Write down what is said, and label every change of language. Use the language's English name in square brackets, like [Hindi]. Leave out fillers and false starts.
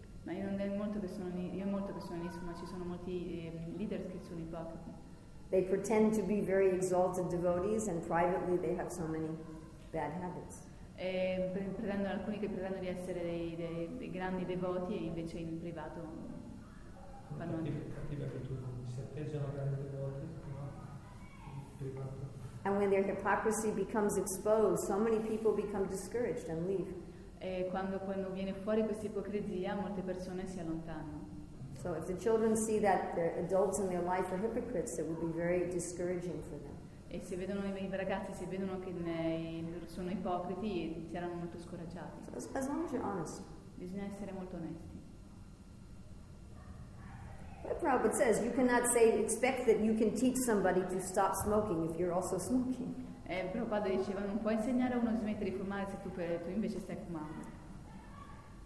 [Italian] Ma io non sono molto persona in ISKCON, ma ci sono molti leaders che sono ipocriti. [English] They pretend to be very exalted devotees, and privately they have so many bad habits. [Italian] Pretendono alcuni che pretendono di essere dei grandi devoti e invece in privato fanno. [English] And when their hypocrisy becomes exposed, so many people become discouraged and leave. [Italian] E quando viene fuori questa ipocrisia, molte persone si allontanano. [English] So if the children see that their adults in their life are hypocrites, it will be very discouraging for them. [Italian] E se vedono i ragazzi, se vedono che sono ipocriti, saranno molto scoraggiati. [English] So as long as you're honest. [Italian] Bisogna essere molto onesti. [English] But Prabhupada says you cannot say expect that you can teach somebody to stop smoking if you're also smoking. [Italian] Prabhupada diceva non puoi insegnare a uno a smettere di fumare se tu invece stai fumando.